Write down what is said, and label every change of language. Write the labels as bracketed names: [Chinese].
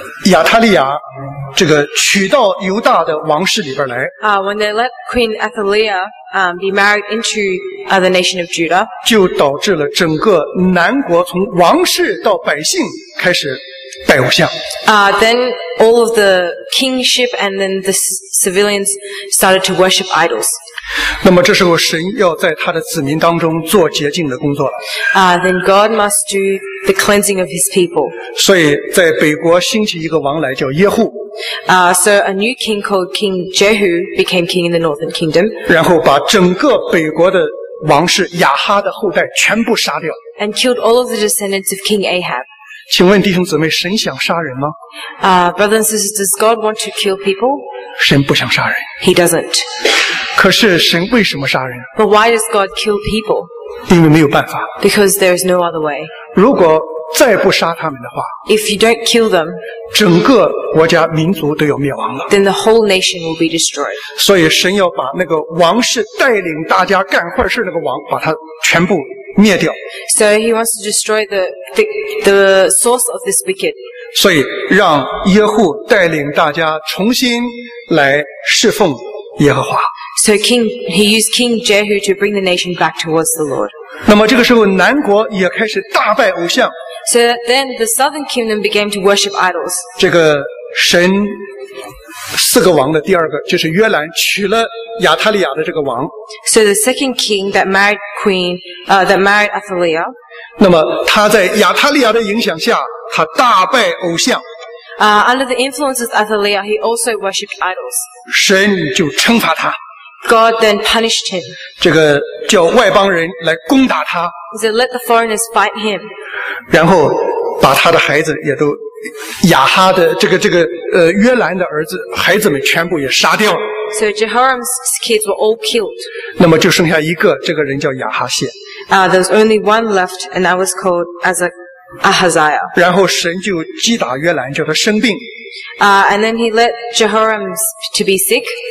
[Chinese] 亚塔利亚这个娶到犹大的王室里边来。 [English] When they let Queen Athaliah be married into the nation of Judah, [Chinese] 就导致了整个南国从王室到百姓开始拜偶像。 [English] Then all of the kingship and then the civilians started to worship idols. [Chinese] 那么这时候神要在他的子民当中做洁净的工作了。 [English] Then God must do the cleansing of his people. [Chinese] 所以在北国兴起一个王来叫耶户。 [English] So a new king called King Jehu became king in the northern kingdom. [Chinese] 然后把整个北国的王室亚哈的后代全部杀掉。 [English] And killed all of the descendants of King Ahab. [Chinese] 请问弟兄姊妹，神想杀人吗？ [English] Brothers and sisters, does God want to kill people? [Chinese] 神不想杀人。 [English] He doesn't. [Chinese] 可是神为什么杀人？ [English] But why does God kill people? [Chinese] 因为没有办法。 [English] Because there is no other way. [Chinese] 如果再不杀他们的话， [English] If you don't kill them, [Chinese] 整个国家民族都要灭亡了。 [English] Then the whole nation will be destroyed. [Chinese] 所以神要把那个王室带领大家干坏事那个王，把他全部灭掉。 [English] So he wants to destroy the source of this wicked. [Chinese] 所以让耶户带领大家重新来侍奉耶和华。 [English] So he used King Jehu to bring the nation back towards the Lord. [Chinese] 那么这个时候南国也开始大拜偶像。 [English] So then the southern kingdom began to worship idols. [Chinese] 这个神四个王的第二个就是约兰娶了亚塔利亚的这个王。 [English] So the second king that married Athaliah. [Chinese] 那么他在亚塔利亚的影响下，他大拜偶像。 [English] Under the influence of Athaliah, he also worshipped idols. [Chinese] 神就惩罚他。 [English] God then punished him. [Chinese] 这个叫外邦人来攻打他。 [English] So let the foreigners fight him. [Chinese] 然后把他的孩子也都亚哈的约兰的儿子孩子们全部也杀掉了。 [English] So Jehoram's kids were all killed. [Chinese] 那么就剩下一个，这个人叫亚哈谢。 [English] There's only one left, and that was called Ahaziah. [Chinese] 然后神就击打约兰，叫他生病。 [English] And then he let Jehoram to be sick.